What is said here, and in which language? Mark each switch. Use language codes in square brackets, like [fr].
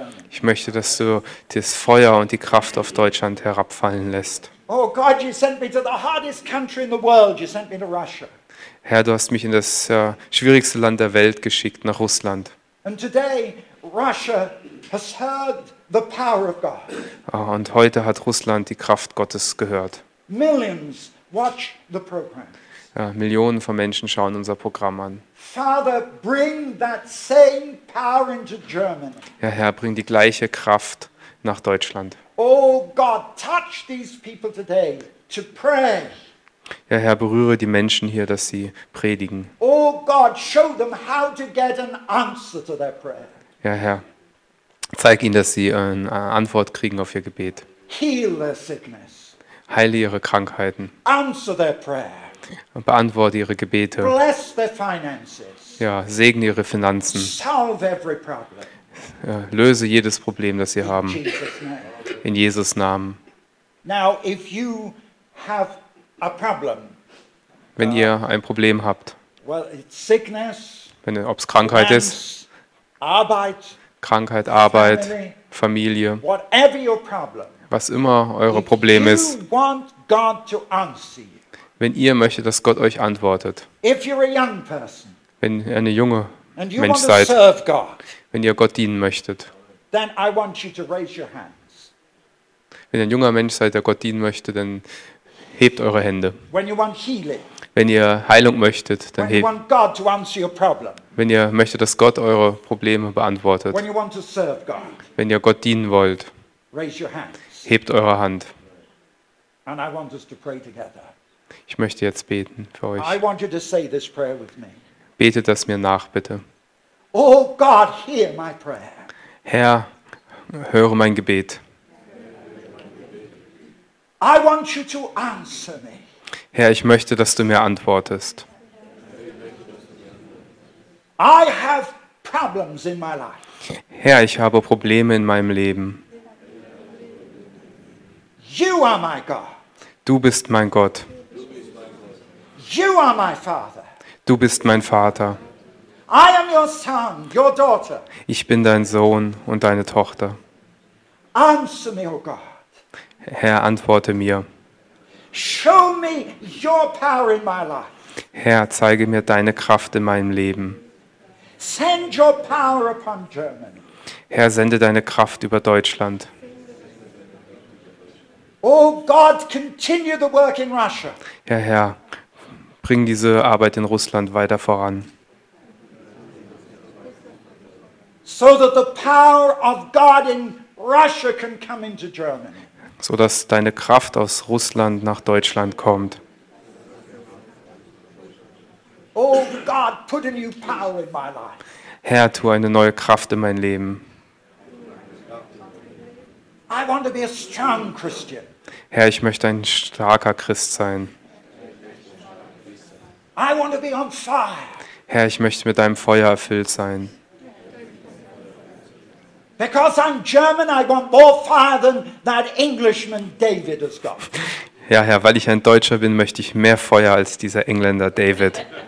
[de] Ich möchte, dass du das Feuer und die Kraft auf Deutschland herabfallen lässt. Oh Gott, [en] you sent me to the hardest country in the world. You sent me to Russia. [de] Herr, du hast mich in das schwierigste Land der Welt geschickt, nach Russland. [en] And today, Russia has heard the power of God. [de] Und heute hat Russland die Kraft Gottes gehört. [en] Millions watch the program. [de] Millionen von Menschen schauen unser Programm an. [en] Father, bring that same power into Germany. [de] Ja, Herr, bring die gleiche Kraft nach Deutschland. [en] Oh God, touch these people today to pray. [de] Ja, Herr, berühre die Menschen hier, dass sie predigen. [en] Oh God, show them how to get an answer to their prayer. [de] Ja, Herr, zeig ihnen, dass sie eine Antwort kriegen auf ihr Gebet. [en] Heal their sickness. [de] Heile ihre Krankheiten. [en] Answer their prayer. [de] Und beantworte ihre Gebete. [en] Bless their finances. [de] Ja, segne ihre Finanzen. [en] Solve every problem. [de] Ja, löse jedes Problem, das sie haben. In Jesus Namen. [en] Now, if you have a problem, [de] wenn ihr ein Problem habt, [en] well, it's sickness, [de] wenn, ob es Krankheit ist, Arbeit, Krankheit, Arbeit, Familie, [en] whatever your problem, [de] was immer eure Problem ist, [en] want God to answer you, [de] wenn ihr möchtet, dass Gott euch antwortet, [en] if you're a young person, [de] wenn ihr eine junge [en] and you [de] Mensch [en] want to [de] seid, [en] serve God, [de] wenn ihr Gott dienen möchtet, [en] then I want you to raise your hands. [de] Wenn ihr ein junger Mensch seid, der Gott dienen möchte, dann hebt eure Hände. [en] When you want healing, [de] wenn ihr Heilung möchtet, dann [en] when [de] hebt. [en] You want God to answer your problem, [de] wenn ihr möchtet, dass Gott eure Probleme beantwortet, [en] when you want to serve God, [de] wenn ihr Gott dienen wollt, [en] raise your hands, [de] hebt eure Hand. [en] And I want us to pray together. [de] Ich möchte jetzt beten für euch. [en] I want you to say this prayer with me. [de] Betet das mir nach, bitte. [en] Oh God, hear my prayer. [de] Herr, höre mein Gebet. [en] I want you to answer me. [de] Herr, ich möchte, dass du mir antwortest. [en] I have problems in my life. [de] Herr, ich habe Probleme in meinem Leben. [en] You are my God. [de] Du bist mein Gott. [en] You are my Father. [de] Du bist mein Vater. [en] I am your son, your daughter. [de] Ich bin dein Sohn und deine Tochter. [en] Answer me, oh God. [de] Herr, antworte mir. [en] Show me your power in my life. [de] Herr, zeige mir deine Kraft in meinem Leben. [en] Send your power upon Germany. [de] Herr, sende deine Kraft über Deutschland. [en] Oh God, continue the work in Russia. [de] Ja, Herr, bring diese Arbeit in Russland weiter voran. [en] So that the power of God in Russia can come into Germany. [de] So dass deine Kraft aus Russland nach Deutschland kommt. [en] Oh God, put a new power in my life. [de] Herr, tu eine neue Kraft in mein Leben. [en] I want to be a strong Christian. [de] Herr, ich möchte ein starker Christ sein. [en] I want to be on fire. [de] Herr, ich möchte mit deinem Feuer erfüllt sein. [en] Because I'm German, I want more fire than that Englishman David has got. [de] Ja, Herr, weil ich ein Deutscher bin, möchte ich mehr Feuer als dieser Engländer David.